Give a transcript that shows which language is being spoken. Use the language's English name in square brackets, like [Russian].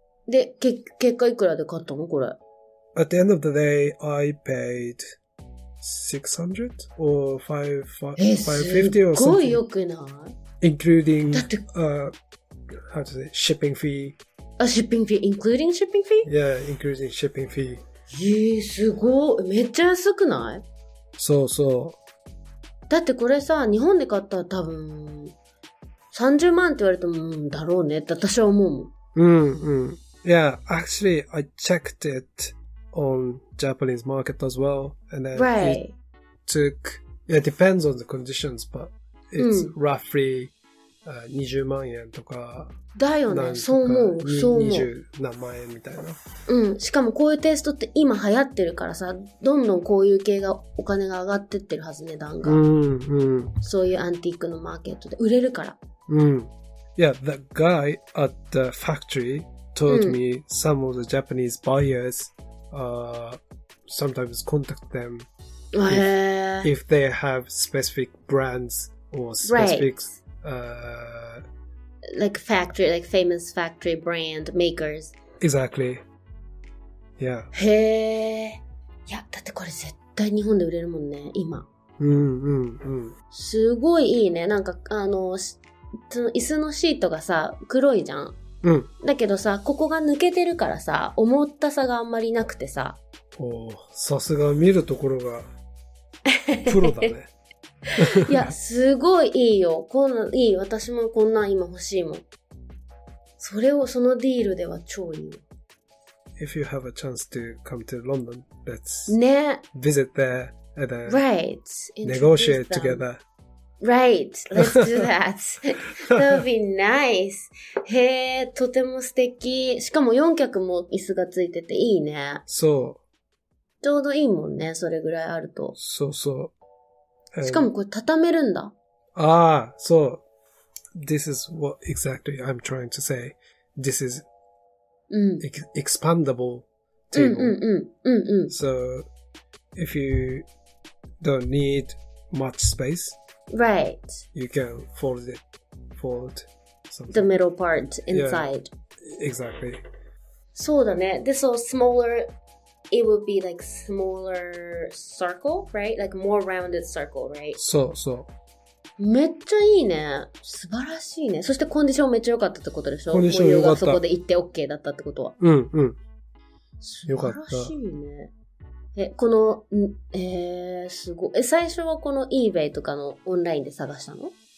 [Japanese] で、結果いくらで買ったのこれ? [English] At the end of the day, I paid... 600 or 550 or something. [Japanese] すごい良くない? [English] Including, how to say, shipping fee. A shipping fee, including shipping fee? Yeah, including shipping fee. [Japanese] すごい。めっちゃ安くない? そうそう。だってこれさ、日本で買ったら多分30万って言われてもんだろうねって私は思うもん。うんうん。 [English] Yeah, actually, I checked it on Japanese market as well, and then right. it took. Yeah, it depends on the conditions, but it's、うん、roughly、 [Japanese] 20万円とか。だよね。そう思う。そう思う。 20何万円みたいな。うん。しかもこういうテストって今流行ってるからさ、どんどんこういう系がお金が上がってってるはず、値段が。うんうん。そういうアンティークのマーケットで売れるから。うん。 [English] Yeah, the guy at the factory told me some of the Japanese buyers sometimes contact them if they have specific brands or specific、 right. like factory, like famous factory brand makers. Exactly. Yeah. [Japanese] へー。いや、だってこれ絶対日本で売れるもんね、今。うんうんうん。すごいいいね。なんかあの、その椅子のシートがさ、黒いじゃん。うん、だけどさ、ここが抜けてるからさ、思ったさがあんまりなくてさ。おぉ、さすが見るところが、プロだね。いや、すごいいいよ。こんな、いい。私もこんなん今欲しいもん。それを、そのディールでは超いいよ。 [English] If you have a chance to come to London, let's、 [Japanese] ね、 [English] visit there and then、 right. negotiate together. Right, let's do that. That would be nice. [Japanese] へえ、とても素敵。しかも4脚も椅子がついてていいね。そう。ちょうどいいもんね、それぐらいあると。そうそう。しかもこれ畳めるんだ。ああ、そう。 [English] This is what exactly I'm trying to say. This is expandable table. [Japanese] うんうんうん。うんうん。 [English] So, if you don't need much space, Right. You can fold it, fold something. The middle part inside. Yeah, exactly. [Japanese] そうだね。で、 [English] so smaller, it would be like smaller circle, right? Like more rounded circle, right? [Japanese] そうそう。めっちゃいいね。素晴らしいね。そしてコンディションめっちゃ良かったってことでしょ？コンディション良かった。そこで行って OK だったってことは。うんうん。よかった。素晴らしいね。え、この、すごい。え、最初はこの eBay とかのオンラインで探したの？